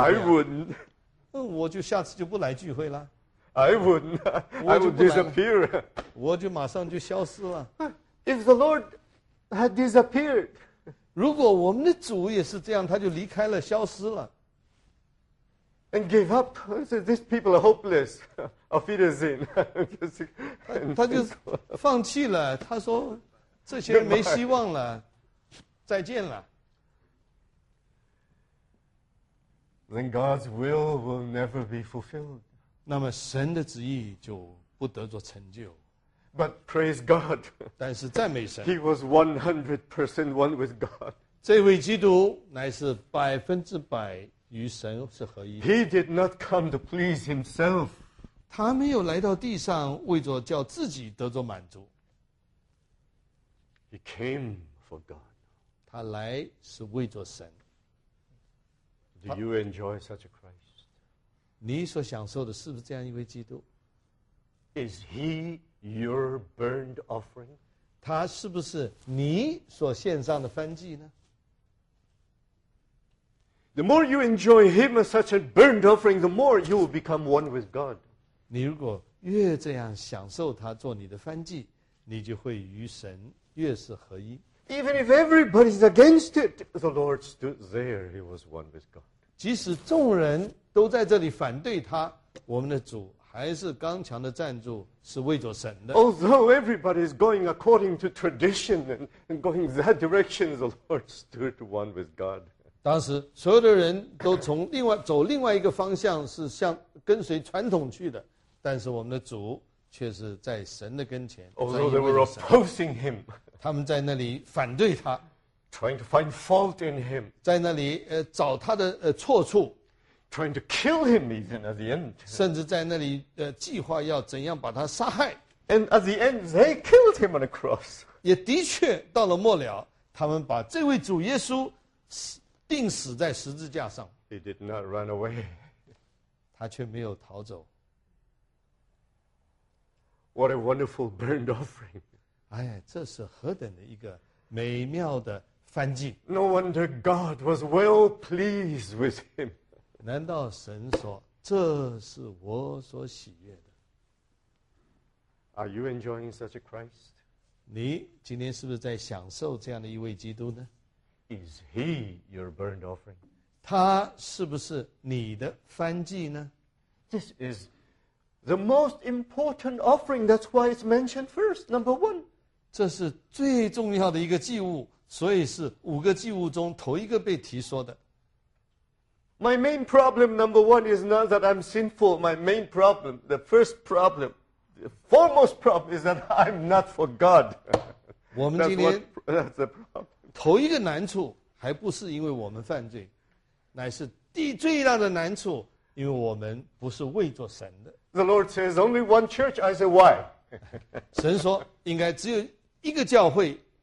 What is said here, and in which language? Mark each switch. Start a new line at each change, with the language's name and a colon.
English: 啊、？I wouldn't，
Chinese: 我就下次就不来聚会了。
English: I wouldn't， I would disappear，
Chinese: 我就马上就消失了。
English: If the Lord had disappeared，
Chinese: 如果我们的主也是这样，他就离开了，消失了
English: ，and gave up， said these people are hopeless。 Of it is in.
Chinese: 他就放弃了。他说：“这些人没希望了，再见了。”
English: Then God's will never be fulfilled.
Chinese: 那么神的旨意就不得着成就。
English: But praise God.
Chinese: 但是赞美神。
English: He was 100% one with God.
Chinese: 这位基督乃是百分之百与神是合一。
English: He did not come to please himself.
Chinese: 他没有来到地上为着叫自己得着满足。
English: He came for God.
Chinese: 他来是为着神。
English: Do you enjoy such a Christ?
Chinese: 你所享受的是不是这样一位基督
English: ？Is he your burnt offering?
Chinese: 他是不是你所献上的燔祭呢？
English: The more you enjoy him as such a burnt offering, the more you will become one with God.
Chinese: 你如果越这样享受他做你的燔祭，你就会与神越是合一。
English: Even if everybody is against it, the Lord stood there. He was one with God.
Chinese: 即使众人都在这里反对他，我们的主还是刚强的站住，是为着神的。
English: Although everybody is going according to tradition and going that direction, the Lord stood one with God.
Chinese: 当时所有的人都从另外走另外一个方向，是向跟随传统去的，但是我们的主却是在神的跟前。
English: Although they were opposing him.
Chinese: 他们在那里反对他。
English: Trying to find fault in him.
Chinese: 在那里找他的错处。
English: Trying to kill him even at the end.
Chinese: 甚至在那里计划要怎样把他杀害。
English: And at the end, they killed him on the cross.
Chinese: 也的确到了末了，他们把这位主耶稣钉死在十字架上。
English: He did not run away.
Chinese: 他却没有逃走。
English: What a wonderful burnt offering.
Chinese: 哎呀，这是何等的一个美妙的燔祭。
English: No wonder God was well pleased with him.
Chinese: 难道神说，这是我所喜悦的？
English: Are you enjoying such a Christ?
Chinese: 你今天是不是在享受这样的一位基督呢？
English: Is he your burnt offering?
Chinese: 他是不是你的燔祭呢？
English: This is the most important offering. That's why it's mentioned first, number one.
Chinese: 这是最重要的一个祭物，所以是五个祭物中头一个被提说的。
English: My main problem, number one, is not that I'm sinful. My main problem, the first problem, the foremost problem, is that I'm not for God.
Chinese: 我们今天
English: that's the problem.
Chinese: 头一个难处还不是因为我们犯罪，乃是最大的难处，因为我们不是为着神的。
English: The Lord says, "Only one church." I say, "Why?"
Chinese: 神说应该只有一个教会。